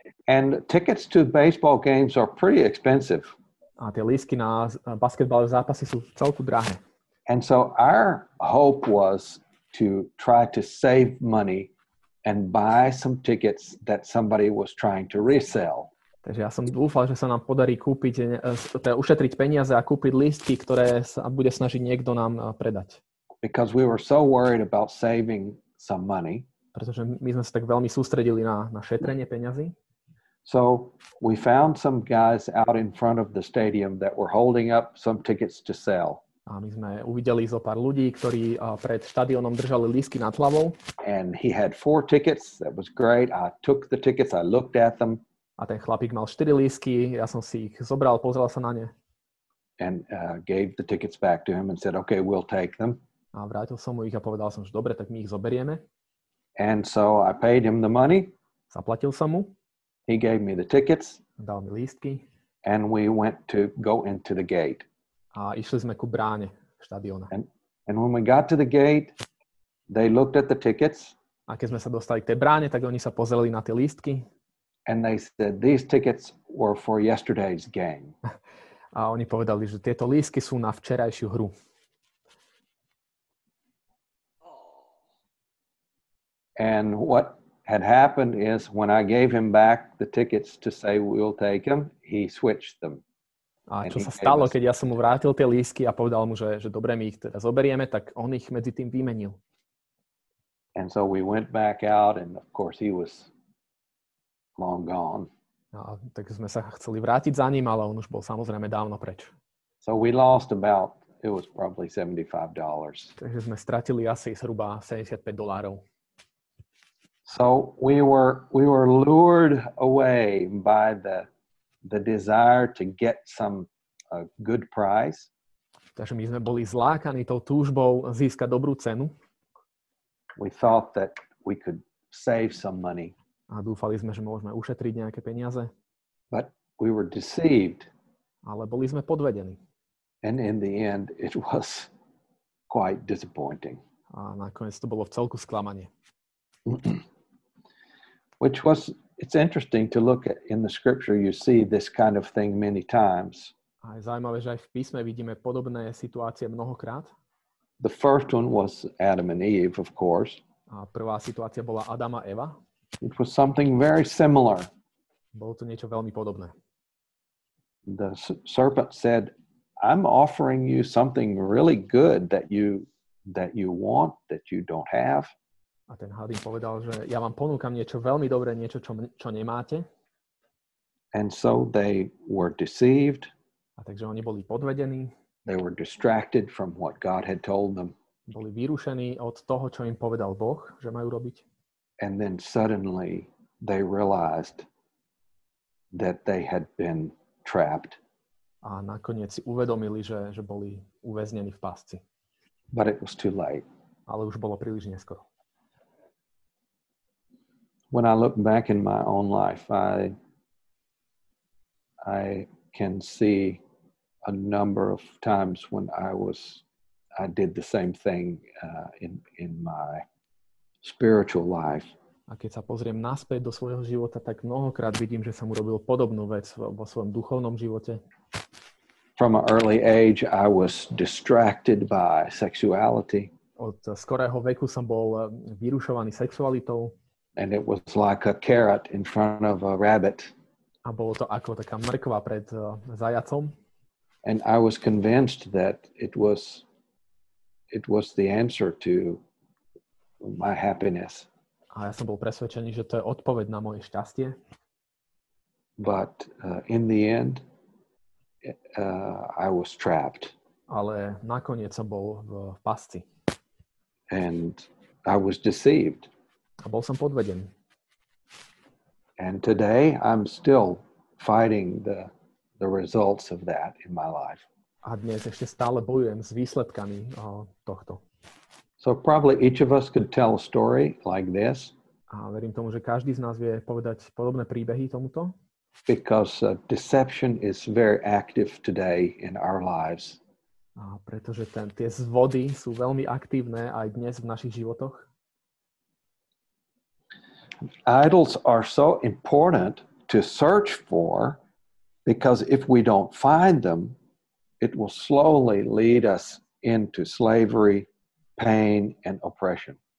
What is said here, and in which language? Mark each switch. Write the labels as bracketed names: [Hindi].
[English] And tickets to baseball games are pretty expensive. [Slovak] A tie lístky na basketbalové zápasy sú celku drahé. [English] And so our hope was to try to save money and buy some tickets that somebody was trying to resell. [Slovak] Takže ja som dúfal, že sa nám podarí kúpiť, teda ušetriť peniaze a kúpiť lístky, ktoré sa bude snažiť niekto nám predať. [English] Because we were so worried about saving some money. [Slovak] pretože my sme sa tak veľmi sústredili na šetrenie peňazí. [English] So we found some guys out in front of the stadium that were holding up some tickets to sell. [Slovak] A my sme uvideli zo pár ľudí, ktorí pred štadiónom držali lístky nad hlavou. [English] And he had 4 tickets. That was great. I took the tickets. I looked at them. [Slovak] A ten chlapík mal 4 lístky. Ja som si ich zobral, pozrel sa na ne. [English] And gave the tickets back to him and said, "Okay, we'll take them." [Slovak] A vrátil som mu ich a povedal som, že dobre, tak my ich zoberieme. [English] And so I paid him the money. [Slovak] Zaplatil som mu. [English] He gave me the tickets. [Slovak] Dal mi lístky. [English] And we went to go into the gate. [Slovak] A išli sme ku bráne štadióna. [English] And when we got to the gate, they looked at the tickets. [Slovak] A keď sme sa dostali k tej bráne, tak oni sa pozreli na tie lístky. [English] And they said, "These tickets were for yesterday's game." [Slovak] A oni povedali, že tieto lístky sú na včerajšiu hru. [English] And what had happened is when I gave him back the tickets to say we'll take him, he switched them. [Slovak] A čo sa stalo, keď ja som mu vrátil tie lístky a povedal mu, že dobre, my ich teda zoberieme, tak on ich medzi tým vymenil. [English] And so we went back out and of course he was long gone. [Slovak] A tak sme sa chceli vrátiť za ním, ale on už bol samozrejme dávno preč. [English] So we lost about, it was probably $75. [Slovak] Takže sme stratili asi zhruba $75. [English] So we were lured away by the desire to get some a good price. [Slovak] Takže my sme boli zlákaní tou túžbou získať dobrú cenu. [English] We thought that we could save some money. [Slovak] A dúfali sme, že môžeme ušetriť nejaké peniaze. [English] But we were deceived. [Slovak] Ale boli sme podvedení. [English] And in the end it was quite disappointing. [Slovak] A nakoniec to bolo vcelku sklamanie. [English] Which was, it's interesting to look at in the scripture, you see this kind of thing many times. [Slovak] A je zaujímavé, že aj v písme vidíme podobné situácie mnohokrát. [English] The first one was Adam and Eve, of course. [Slovak] A prvá situácia bola Adam a Eva. [English] It was something very similar. [Slovak] Bolo to niečo veľmi podobné. [English] The serpent said, "I'm offering you something really good that you want, that you don't have." [Slovak] A ten had im povedal, že ja vám ponúkam niečo veľmi dobré, niečo, čo nemáte. [English] And so they were deceived. [Slovak] A takže oni boli podvedení. [English] They were distracted from what God had told them. [Slovak] Boli vyrušení od toho, čo im povedal Boh, že majú robiť. [English] And then suddenly they realized that they had been trapped. [Slovak] A nakoniec si uvedomili, že boli uväznení v pasci. [English] But it was too late. [Slovak] Ale už bolo príliš neskoro. [English] When I look back in my own life, I can see a number of times when I did the same thing in my spiritual life. [Slovak] A keď sa pozriem naspäť do svojho života, tak mnohokrát vidím, že som urobil podobnú vec vo svojom duchovnom živote. [English] From an early age, I was distracted by sexuality. [Slovak] Od skorého veku som bol vyrušovaný sexualitou. [English] And it was like a carrot in front of a rabbit. [Slovak] A bolo to ako taká mrkva pred zajacom. [English] And I was convinced that it was the answer to my happiness. [Slovak] A ja som bol presvedčený, že to je odpoveď na moje šťastie. [English] But in the end I was trapped. [Slovak] Ale nakoniec som bol v pasci. [English] And I was deceived. [Slovak] A bol som podvedený. [English] And today I'm still fighting the results of that in my life. [Slovak] A dnes ešte stále bojujem s výsledkami tohto. [English] So probably each of us could tell a story like this. [Slovak] A verím tomu, že každý z nás vie povedať podobné príbehy tomuto. [English] Because deception is very active today in our lives. [Slovak] A pretože tie zvody sú veľmi aktívne aj dnes v našich životoch. [English] Idols are so important to search for because if we don't find them, it will slowly lead us into slavery, pain and oppression.